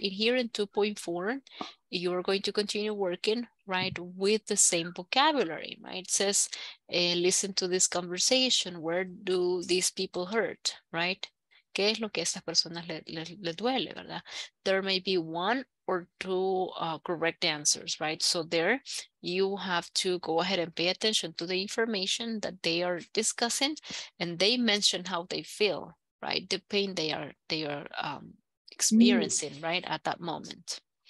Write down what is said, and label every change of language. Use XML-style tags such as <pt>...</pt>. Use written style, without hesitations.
<en>In here in 2.4, you are going to continue working, right, with the same vocabulary, right? It says, listen to this conversation. Where do these people hurt, right?</en> <es>¿Qué es lo que a estas personas le duele, verdad?</es> <en>There may be one or two correct answers, right? So there you have to go ahead and pay attention to the information that they are discussing, and they mention how they feel, right? The pain they are experiencing, mm-hmm, right, at that moment.</en>